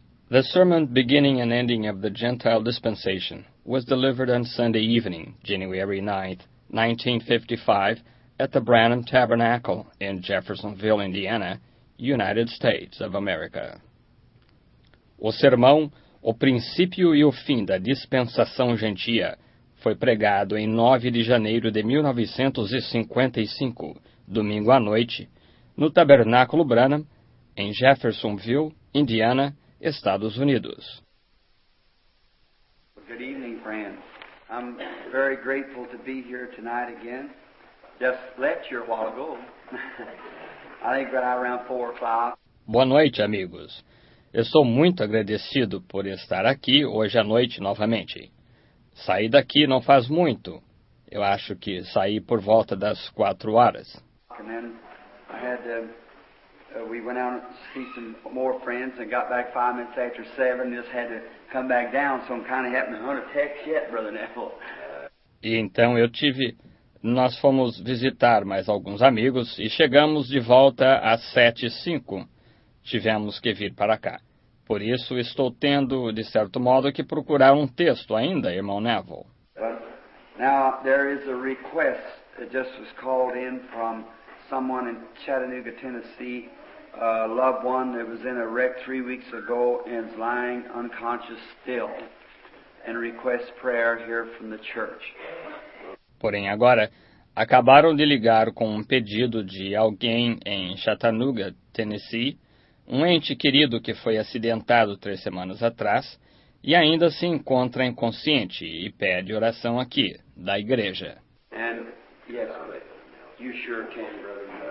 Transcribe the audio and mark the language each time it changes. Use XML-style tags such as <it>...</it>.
<en>The sermon beginning and ending of the Gentile dispensation was delivered on Sunday evening, January 9, 1955, at the Branham Tabernacle in Jeffersonville, Indiana, United States of America.</en> <pt>O sermão, o princípio e o fim da dispensação gentia, foi pregado em 9 de janeiro de 1955, domingo à noite, no Tabernáculo Branham, em Jeffersonville, Indiana, Estados Unidos.</pt> <en>Good evening, friends. I'm very grateful to be here tonight again. Just lecture a while ago. I think right around 4 or 5.</en> <pt>Boa noite, amigos. Estou muito agradecido por estar aqui hoje à noite novamente. Saí daqui não faz muito. Eu acho que saí por volta das 4 horas.</pt> <en>And then I had we went out to see some more friends and got back 5 minutes after 7. Just had to come back down, so I'm kind of having to text yet, Brother Neville.</en> <pt>E então eu tive, nós fomos visitar mais alguns amigos e chegamos de volta às 7:05. Tivemos que vir para cá. Por isso estou tendo, de certo modo, que procurar um texto ainda, irmão Neville.</pt> <en>But now there is a request that just was called in from someone in Chattanooga, Tennessee, a loved one that was in a wreck 3 weeks ago and is lying unconscious still, and requests prayer here from the church.</en> <pt>Porém, agora, acabaram de ligar com um pedido de alguém em Chattanooga, Tennessee, um ente querido que foi acidentado 3 semanas atrás e ainda se encontra inconsciente e pede oração aqui, da igreja.</pt> <en>And, yes, you sure can, brother.</en>